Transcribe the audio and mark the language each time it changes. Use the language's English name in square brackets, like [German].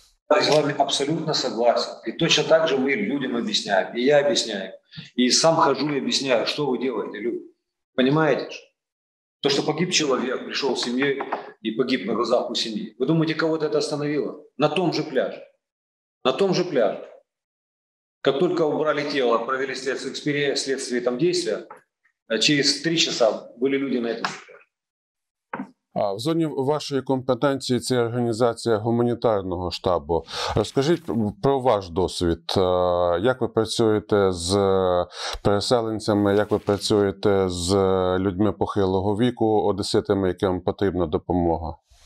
[Ukrainian] Я з вами абсолютно согласен. І точно так же ми людям об'ясняємо. І я об'ясняю. І сам хожу і об'ясняю, що ви робите, люди. Понимаєте? То, що погиб чоловік, прийшов з сім'єю і погиб на глазах у сім'ї. Ви думаєте, кого це остановило? На тому же пляжі. На тому же пляжі. [Russian] Как только убрали тело, провели следствие там действия, через 3 часа были люди на этом. А в зоне вашей компетенции это организация гуманитарного штаба. Расскажите про ваш опыт. Как вы работаете с переселенцами, как вы работаете с людьми [Ukrainian] похилого віку, [Russian] одесситами, [Ukrainian] яким потрібна допомога?